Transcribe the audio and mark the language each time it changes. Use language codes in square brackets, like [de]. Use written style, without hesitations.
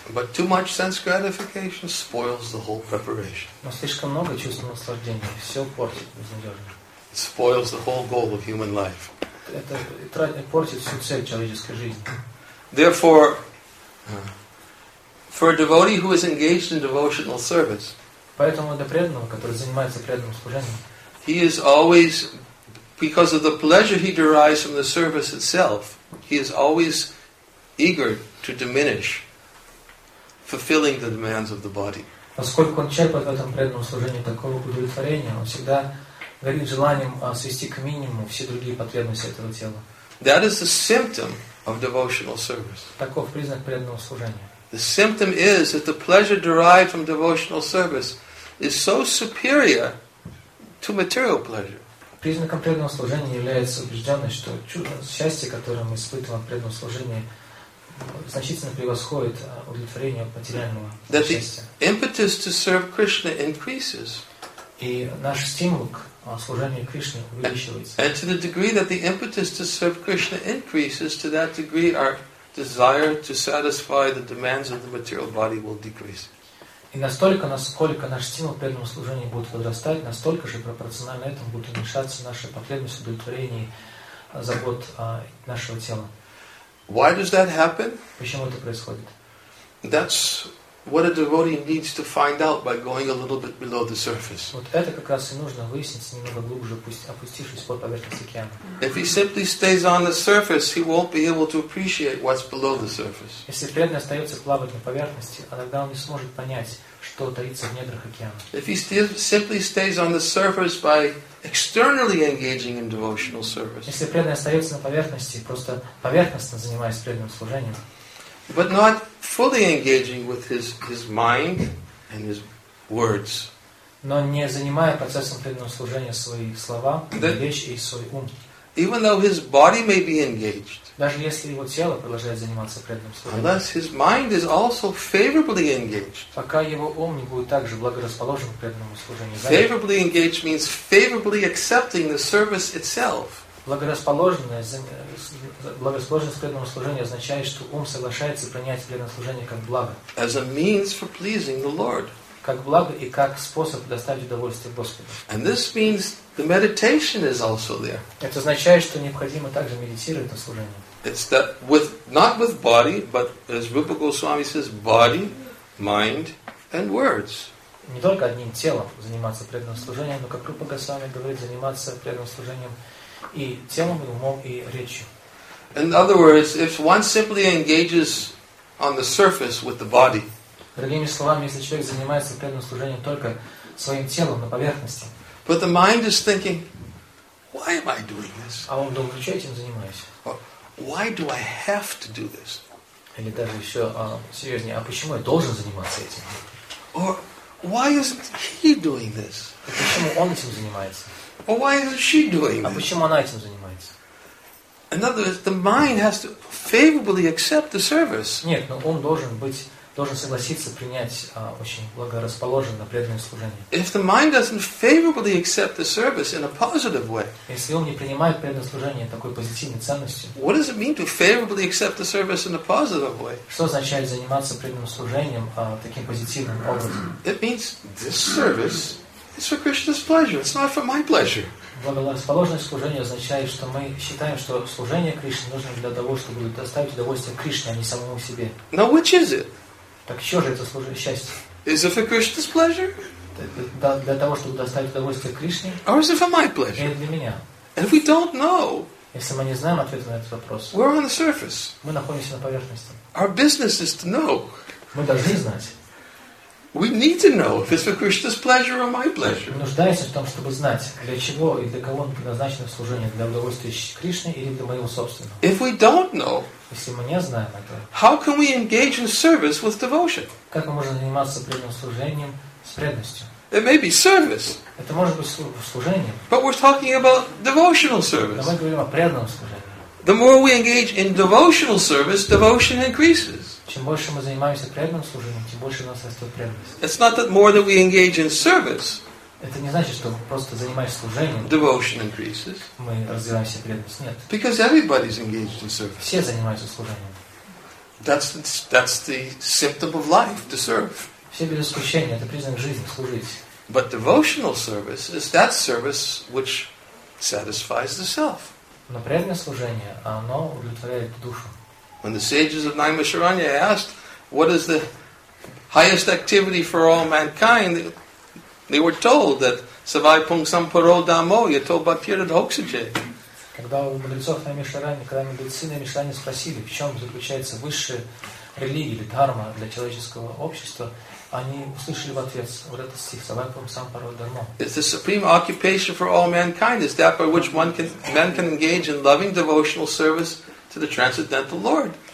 [en] But too much sense gratification spoils the whole preparation. [ru] Но слишком много чувственного наслаждения все портит безнадежно. [en] It spoils the whole goal of human life. [ru] Это портит всю цель человеческой жизни. [en] Therefore, for a devotee who is engaged in devotional service, [ru] поэтому для преданного, который занимается преданным служением, [en] he is always, because of the pleasure he derives from the service itself, he is always eager to diminish fulfilling the demands of the body. [ru] Поскольку он черпает в этом преданном служении такого удовлетворения, он всегда горит желанием свести к минимуму все другие потребности этого тела. [en] That is the symptom of devotional service. [ru] Таков признак преданного служения. [en] The symptom is that the pleasure derived from devotional service is so superior to material pleasure. [ru] Признаком преданного служения является убежденность, что счастье, которое мы испытываем в преданном служении, значительно превосходит удовлетворение материального счастья. [en] That the impetus to serve Krishna increases. [ru] И наш стимул к служение Кришне увеличивается. [en] And to the degree that the impetus to serve Krishna increases, to that degree our desire to satisfy the demands of the material body will decrease. [ru] И настолько, насколько наш стимул к преданному служению будет возрастать, настолько же пропорционально этому будет уменьшаться наша потребность в удовлетворении забот нашего тела. [en] Why does that happen? [ru] Почему это происходит? [en] That's what a devotee needs to find out by going a little bit below the surface. [ru] Вот это как раз и нужно выяснить немного глубже, опустившись под поверхность океана. [en] If he simply stays on the surface, he won't be able to appreciate what's below the surface. [ru] Если преданный остается плавать на поверхности, тогда он не сможет понять, что таится в недрах океана. [en] If he simply stays on the surface by externally engaging in devotional service. [ru] Если преданный остается на поверхности, просто поверхностно занимаясь преданным служением. [en] But not fully engaging with his mind and his words. [ru] Но не занимая процессом преданного служения свои слова, речь и свой ум. [en] Even though his body may be engaged. [ru] Даже если его тело продолжает заниматься преданным служением. [en] Unless his mind is also favorably engaged. [ru] Пока его ум не будет также благорасположен к преданному служению. [en] Favorably engaged means favorably accepting the service itself. [ru] Благорасположенность к преданному служению означает, что ум соглашается принять преданное служение как благо. [en] As a means for pleasing the Lord. [ru] Как благо и как способ доставить удовольствие Господу. [en] And this means the meditation is also there. [ru] Это означает, что необходимо также медитировать на служении. [en] It's that with not with body, but as Rupa Goswami says, body, mind, and words. [ru] Не только одним телом заниматься преданным служением, но как Рупа Госвами говорит, заниматься преданным служением и телом, и умом, и речью. [en] In other words, if one simply engages on the surface with the body. [ru] Другими словами, если человек занимается преданным служением только своим телом на поверхности. [en] But the mind is thinking, why am I doing this? [ru] А он думает, что я этим занимаюсь? [en] Or, why do I have to do this? [ru] Или даже еще серьезнее, а почему я должен заниматься этим? [en] Or, why isn't he doing this? [ru] А почему он этим занимается? [en] Or why isn't she doing this? [ru] А почему она этим занимается? [en] In other words, the mind has to favorably accept the service. [ru] Нет, но он должен быть должен согласиться принять очень благорасположенно преданное служение. [en] If the mind doesn't favorably accept the service in a positive way, [ru] если ум не принимает преданное служение такой позитивной ценностью, [en] what does it mean to favorably accept the service in a positive way? [ru] Что означает заниматься преданным служением таким позитивным образом? [en] It means this service is for Krishna's pleasure. It's not for my pleasure. [ru] Благорасположенное служение означает, что мы считаем, что служение Кришне нужно для того, чтобы доставить удовольствие Кришне, а не самому себе. [en] Now which is it? [ru] Так что же это служение счастья? [en] Is it for Krishna's pleasure? [ru] Для того, чтобы доставить удовольствие Кришне? [en] Or is it for my pleasure? [ru] Или для меня? [en] And if we don't know, [ru] если мы не знаем ответа на этот вопрос, [en] we're on the surface. [ru] Мы находимся на поверхности. [en] Our business is to know. [ru] Мы должны знать. [en] We need to know if it's for Krishna's pleasure or my pleasure. [ru] Мы нуждаемся в том, чтобы знать, для чего и для кого предназначено служение, для удовольствия Кришны или для моего собственного. [en] If we don't know, [ru] если мы не знаем этого, [en] how can we engage in service with devotion? [ru] Как мы можем заниматься преданным служением с преданностью? [en] It may be service. [ru] Это может быть служение. [en] But we're talking about devotional service. [ru] Но мы говорим о преданном служении. [en] The more we engage in devotional service, devotion increases. [ru] Чем больше мы занимаемся преданным служением, тем больше у нас растет преданность. [en] It's not that more that we engage in service. [ru] Это не значит, что мы просто занимаемся служением. [en] Devotion increases. [ru] Мы развиваемся преданность. Нет. [en] Because everybody's engaged in service. [ru] Все занимаются служением. [en] That's the symptom of life, to serve. [ru] Все без исключения, это признак жизни, служить. [en] But devotional service is that service which satisfies the self. [ru] Но преданное служение, оно удовлетворяет душу. [en] When the sages of Naimisharanya asked, what is the highest activity for all mankind, they were told that [sa] Savai Pung Samparo Damo, [en] you're told by Pyrrha Dhokshaje. [ru] Когда у мудрецов Наймишарани, когда мудрецы Наймишарани спросили, в чем заключается высшая религия или дхарма для человеческого общества, они услышали в ответ вот этот стих, [sa] Савай Пунг Сампаро Дармо. [en] It's the supreme occupation for all mankind, is that by which man can engage in loving devotional service to the transcendental Lord.